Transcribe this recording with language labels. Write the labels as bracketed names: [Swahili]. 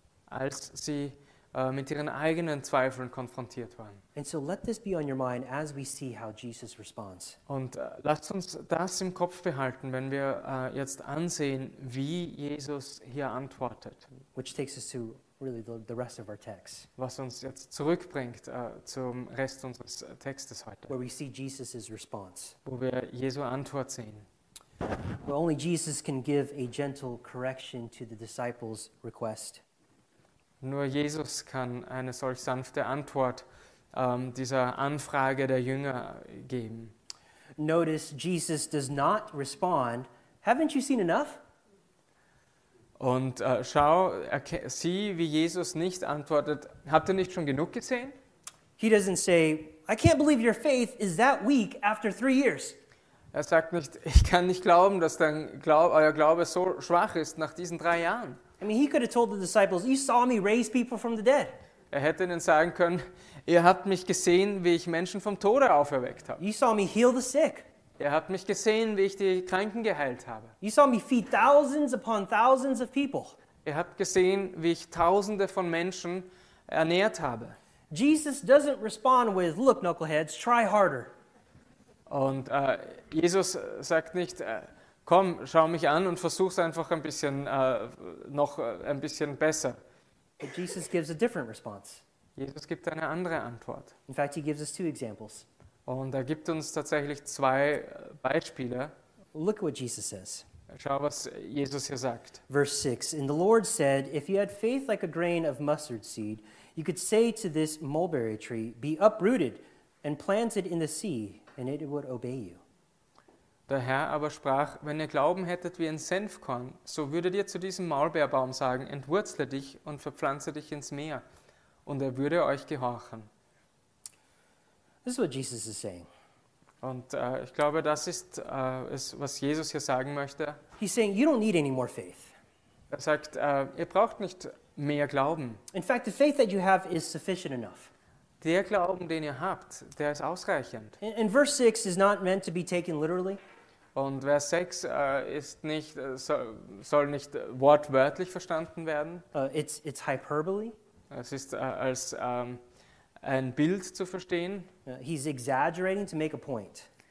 [German] Als sie mit ihren eigenen Zweifeln konfrontiert waren. [English] And so let this be on your mind as we see how Jesus responds. [German] Und lasst uns das im Kopf behalten, wenn wir jetzt ansehen, wie Jesus hier antwortet. [English] Which takes us to really the rest of our text. [German] Was uns jetzt zurückbringt zum Rest unseres Textes heute. [English] Where we see Jesus's response. [German] Wo wir Jesu Antwort sehen. [English] Well, only Jesus can give a gentle correction to the disciples' request. [German] Nur Jesus kann eine solch sanfte Antwort dieser Anfrage der Jünger geben. [English] Notice Jesus does not respond, haven't you seen enough? [German] Und sieh, wie Jesus nicht antwortet, habt ihr nicht schon genug gesehen? [English] He doesn't say, I can't believe your faith is that weak after 3 years. [German] Er sagt nicht, ich kann nicht glauben, dass euer Glaube so schwach ist nach diesen 3 Jahren. [English] I mean, he could have told the disciples, you saw me raise people from the dead. [German] Er hätte ihnen sagen können, ihr habt mich gesehen, wie ich Menschen vom Tode auferweckt habe. [English] You saw me heal the sick. [German] Ihr habt mich gesehen, wie ich die Kranken geheilt habe. [English] You saw me feed thousands upon thousands of people. [German] Ihr habt gesehen, wie ich Tausende von Menschen ernährt habe. [English] Jesus doesn't respond with, look, knuckleheads, try harder. [German] Und Jesus sagt nicht, komm, schau mich an und versuch's einfach ein bisschen noch ein bisschen besser. [English] But Jesus gives a different response. [German] Jesus gibt eine andere Antwort. [English] In fact, he gives us 2 examples. [German] Und er gibt uns tatsächlich 2 Beispiele. [English] Look what Jesus says. [German] Schau, was Jesus hier sagt. [English] Verse 6. And the Lord said, if you had faith like a grain of mustard seed, you could say to this mulberry tree, be uprooted and planted in the sea, and it would obey you. [German] Der Herr aber sprach, wenn ihr Glauben hättet wie ein Senfkorn, so würdet ihr zu diesem Maulbeerbaum sagen, entwurzle dich und verpflanze dich ins Meer, und er würde euch gehorchen. [English] This is what Jesus is saying. [German] Und ich glaube, das ist es, was Jesus hier sagen möchte. [English] He's saying, you don't need any more faith. [German] Er sagt, ihr braucht nicht mehr Glauben. [English] In fact, the faith that you have is sufficient enough. [German] Der Glauben, den ihr habt, der ist ausreichend. [English] And verse 6 is not meant to be taken literally. [German] Und Vers 6 ist nicht soll nicht wortwörtlich verstanden werden. [English] It's hyperbole. [German] Es ist als ein Bild zu verstehen. [English] He's exaggerating to make a point.